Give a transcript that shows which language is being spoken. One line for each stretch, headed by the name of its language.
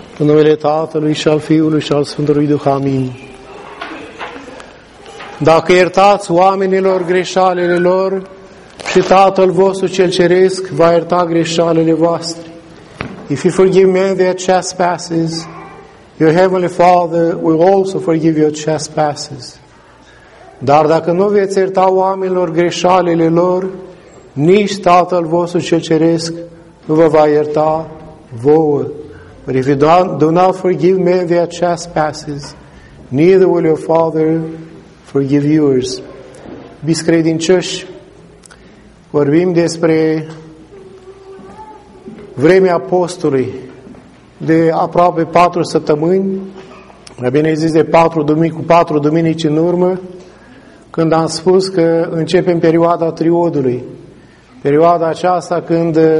Romanian: În numele Tatălui și al Fiului și al Sfântului Duh, amin. Dacă iertați oamenilor greșalele lor, și Tatăl vostru cel ceresc va ierta greșalele voastre.
English: If you forgive men their trespasses, your heavenly Father will also forgive your trespasses.
Romanian: Dar dacă nu veți ierta oamenilor greșalele lor, nici Tatăl vostru cel ceresc nu vă va ierta vouă.
English: But if you do not forgive men their trespasses, neither will your Father forgive yours.
Romanian: Biscă credincioși, vorbim despre vremea postului de aproape 4 săptămâni, mai bine zis de 4 duminici, cu 4 duminici în urmă, când am spus că începem perioada triodului, perioada aceasta când